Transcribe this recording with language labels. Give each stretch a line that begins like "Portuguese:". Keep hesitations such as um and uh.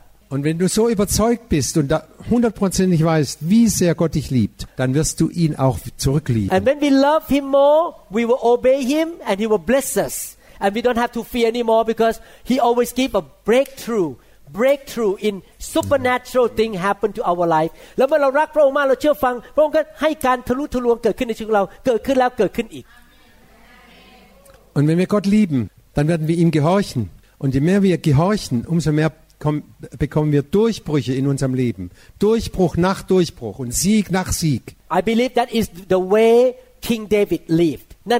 German: und wenn du so überzeugt bist und hundertprozentig weißt, wie sehr Gott dich liebt, dann wirst du ihn auch zurücklieben.
English: And when we love him more, we will obey him and he will bless us. and we don't have to fear anymore because he always give a breakthrough breakthrough in supernatural mm-hmm. thing happen to our life
Thai: แล้วเมื่อเรารักพระองค์มากเราเชื่อฟังพระองค์ก็ให้การทะลุทะลวงเกิดขึ้นในชีวิตเราเกิดขึ้นแล้วเกิดขึ้นอีก
German: Und wenn wir Gott lieben, dann werden wir ihm gehorchen. Und je mehr wir gehorchen, umso mehr bekommen wir Durchbrüche in unserem Leben. Durchbruch nach Durchbruch und Sieg nach Sieg.
English: I believe that is the way King David lived.